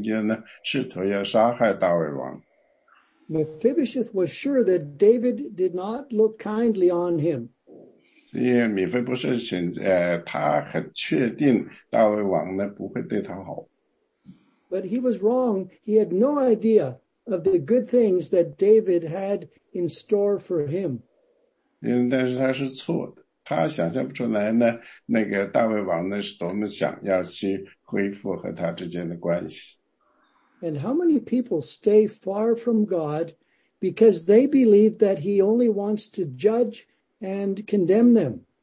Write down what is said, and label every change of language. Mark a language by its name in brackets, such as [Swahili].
[Chinese] 但是呢，现在呢，不仅仅是这样的，而且米菲波设的那个祖父呢，他是大卫王的敌人，他曾经呢，试图要杀害大卫王。 [English] Mephibosheth was sure that David did not look kindly on him. [Chinese] 因为米菲波设现在，他很确定大卫王呢不会对他好。 [English] But he was wrong. He had no idea of the good things that David had in store for him. [Chinese] 但是他是错的，他想象不出来呢，那个大卫王呢是多么想要去恢复和他之间的关系。 [English] And how many people stay far from God because they believe that he only wants to judge and condemn them?